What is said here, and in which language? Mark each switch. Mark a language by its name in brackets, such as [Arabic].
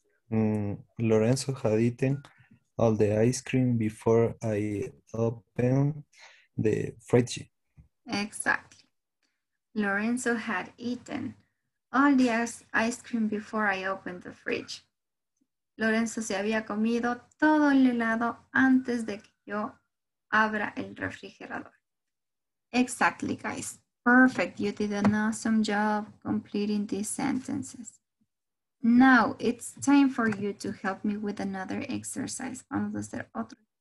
[English] Lorenzo had eaten all the ice cream before I opened the fridge. Exactly. Lorenzo had eaten all the ice cream before I opened the fridge. [Spanish] Lorenzo se había comido todo el helado antes de que yo abra el refrigerador. [English] Exactly, guys. Perfect. You did an awesome job completing these sentences. Now it's time for you to help me with another exercise. [Spanish] Vamos a hacer otro.